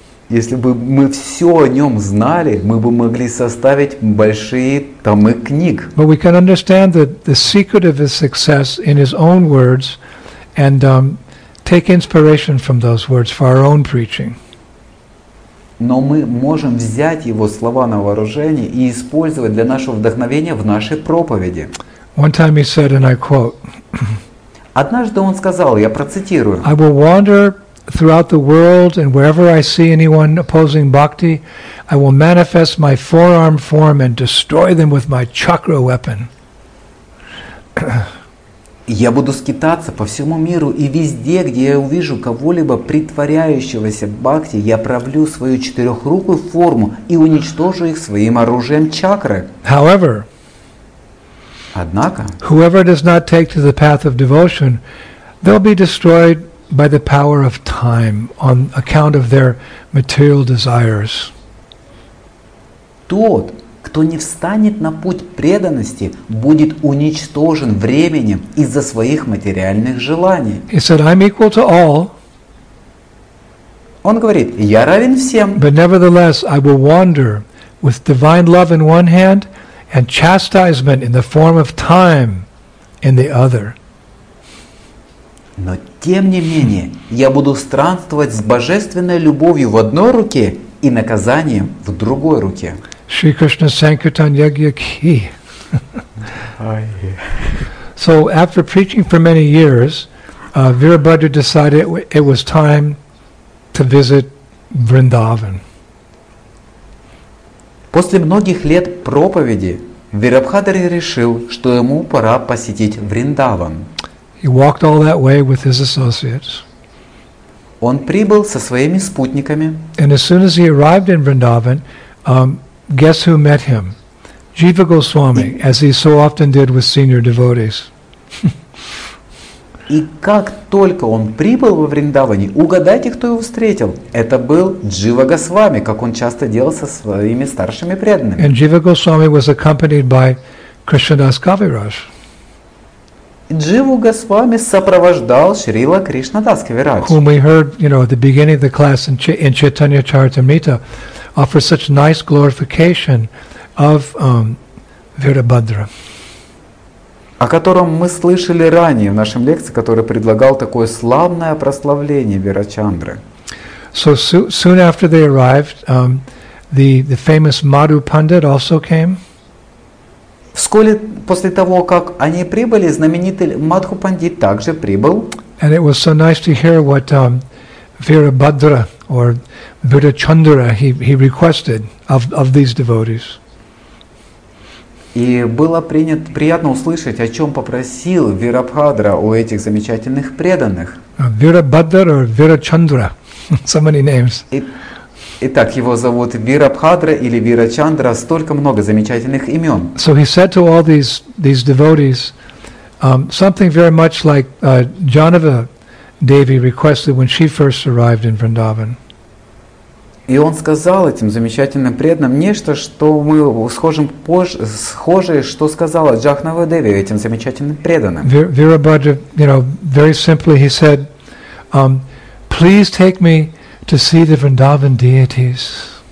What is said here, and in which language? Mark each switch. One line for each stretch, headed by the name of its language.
Russian: Если бы мы все о нем знали, мы бы могли составить большие томы книг.
English: But we can understand the secret of his success in his own words and take inspiration from those words for our own preaching.
Russian: Но мы можем взять его слова на вооружение и использовать для нашего вдохновения в нашей проповеди.
English: One time he said, and I quote,
Russian: однажды он сказал, я процитирую,
English: I will wander throughout the world, and wherever I see anyone opposing bhakti, I will manifest my forearm form and destroy them with my chakra weapon.
Russian: Я буду скитаться по всему миру, и везде, где я увижу кого-либо притворяющегося бхакти, я провлю свою четырехрукую форму и уничтожу их своим оружием чакры.
English: However,
Russian: однако,
English: whoever does not take to the path of devotion, they'll be destroyed by the power of time, on account of their material desires.
Russian: Тот, кто не встанет на путь преданности, будет уничтожен временем из-за своих материальных желаний.
English: He said, "I'm equal to all."
Russian: Он говорит, я равен всем.
English: But nevertheless, I will wander with divine love in one hand and chastisement in the form of time in the other.
Russian: Но тем не менее, я буду странствовать с божественной любовью в одной руке и наказанием в другой руке.
Hindi: Шри Кришна Санкиртан Ягья Ки.
English: So, after preaching for many years, Virabhadra decided it was time to visit Vrindavan.
Russian: После многих лет проповеди, Вирабхадра решил, что ему пора посетить Вриндаван.
English: He walked all that way with his associates.
Russian: Он прибыл со своими спутниками.
English: And as soon as he arrived in Vrindavan, guess who met him? Jiva Goswami, as he so often did with senior devotees.
Russian: И как только он прибыл во Вриндаване, угадайте, кто его встретил? Это был Джива Госвами, как он часто делал со своими старшими преданными.
English: And Jiva Goswami was accompanied by Krishnadas Kaviraj.
Russian: Дживу Госвами сопровождал Шрила Кришнадас Кавирадж.
English: Whom we heard, you know, at the beginning of the class in Chaitanya Charitamrita offer such nice glorification of Virabhadra.
Russian: О котором мы слышали ранее в нашем лекции, который предлагал такое славное прославление Вирачандры.
English: So soon after they arrived, the famous Madhu Pandit also came.
Russian: Вскоре после того, как они прибыли, знаменитый Мадху Пандит также прибыл.
English: And it was so nice to hear what Virabhadra or Buddha Chandra he requested of these devotees.
Russian: И было приятно услышать, о чем попросил Вирабхадра у этих замечательных преданных.
English: Virabhadra or Virachandra, so many names.
Russian: Итак, его зовут Вирабхадра или Вирачандра, столько много замечательных имен.
English: So he said to all these devotees something very much like Janava Devi requested when she first arrived in Vrindavan.
Russian: И он сказал этим замечательным преданным нечто, что мы схожим схожее, что сказала Джахнава Деви этим замечательным преданным.
English: Virabhadra, you know, very simply he said, please take me to see the Vrindavan deities.